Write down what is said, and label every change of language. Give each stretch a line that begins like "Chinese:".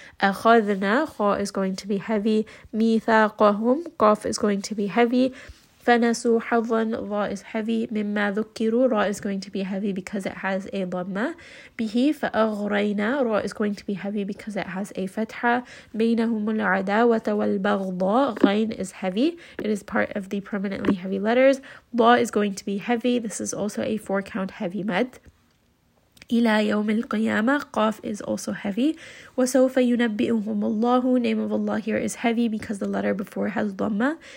Arabic: أخذنا.
English: خاء is going to be heavy.
Arabic: ميثاقهم.
English: قاف is going to be heavy.
Arabic: فنسوا حظا. را
English: is heavy.
Arabic: مما ذكروا.
English: را is going to be heavy because it has a ضمة.
Arabic: به فأغرينا.
English: را is going to be heavy because it has a فتحة.
Arabic: بينهم العداوة والبغضاء.
English: غين is heavy. It is part of the permanently heavy letters. ضاء is going to be heavy. This is also a four count heavy med.
Arabic: إلى يوم القيامة.
English: قاف is also heavy.
Arabic: وسوف ينبئهم الله.
English: Name of Allah here is heavy because the letter before has ضمة.